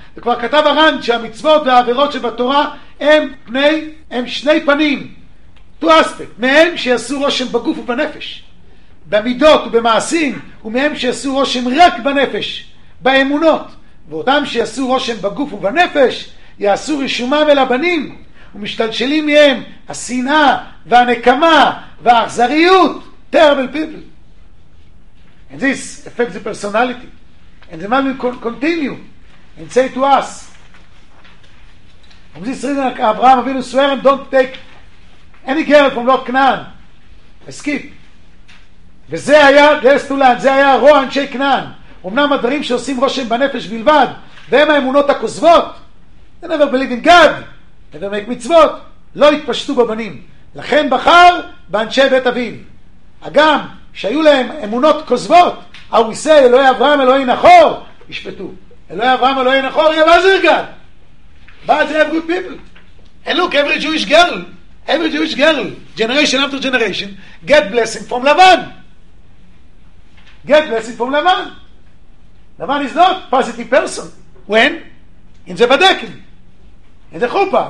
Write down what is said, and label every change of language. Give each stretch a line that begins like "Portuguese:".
Hebrew: וכבר כתב הר"ן שהמצוות והעבירות שבתורה הם שני פנים,
English: two aspect,
Hebrew: מהם שיעשו רושם בגוף ובנפש במידות ובמעשים, ומהם שיעשו רושם רק בנפש באמונות. ואותם שיעשו רושם בגוף ובנפש יעשו רשומם אל הבנים, ומשתלשלים מהם השנאה והנקמה והאכזריות.
English: Terrible people. And this affects the personality. And the man will continue and say to us, from this reason, Abraham Avinu swear him, don't take any girl from Lot Canaan. Skip.
Hebrew: וזה היה, דלסטולן, זה היה רוע אנשי קנען. אמנם הדברים שעושים רושם בנפש בלבד, והם האמונות הכוזבות,
English: they never believe in God, never make מצוות,
Hebrew: לא התפשטו בבנים. לכן בחר באנשי בית אביו. אגם, שהיו להם אמונות כוזבות, הוא יישא, אלוהי אברהם, אלוהי נחור, ישפטו. אלוהי אברהם, אלוהי נחור, יהיה בזר גד. מה זה
English: have good people? And look, every Jewish girl, every Jewish girl, generation after generation, get blessing from Laban. Get blessing from Laban. Laban is not a positive person. When? In the Badekin. In the Chupa.